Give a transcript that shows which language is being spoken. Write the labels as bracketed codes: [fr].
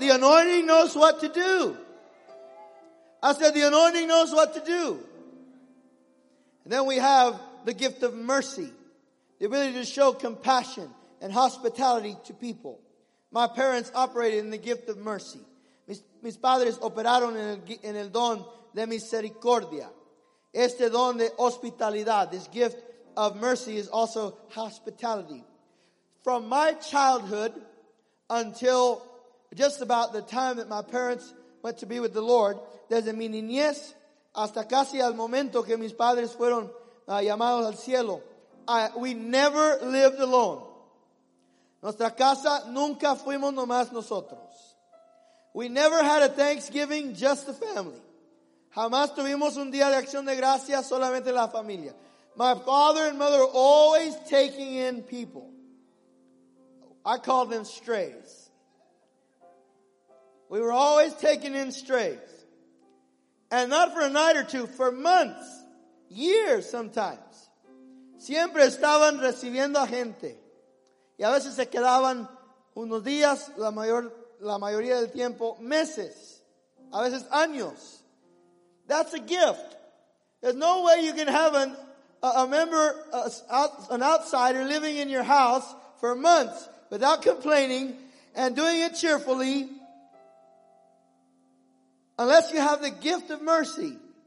[en] The anointing knows what to do. I said, the anointing knows what to do. Then we have the gift of mercy, the ability to show compassion and hospitality to people. My parents operated in the gift of mercy. [es] Mis padres operaron en el don de misericordia. Este don de hospitalidad, [en] this gift of mercy, is also hospitality. From my childhood until just about the time that my parents went to be with the Lord, [es] desde mi niñez hasta casi al momento que mis padres fueron llamados al cielo, [en] we never lived alone. [es] Nuestra casa nunca fuimos nomás nosotros. [en] We never had a Thanksgiving, just the family. [es] Jamás tuvimos un día de acción de gracias, solamente la familia. [en] My father and mother were always taking in people. I call them strays. We were always taking in strays. And not for a night or two, for months, years sometimes. [es] Siempre estaban recibiendo a gente. Y a veces se quedaban unos días, la mayoría del tiempo, meses. A veces años. [en] That's a gift. There's no way you can have an outsider living in your house for months without complaining and doing it cheerfully unless you have the gift of mercy.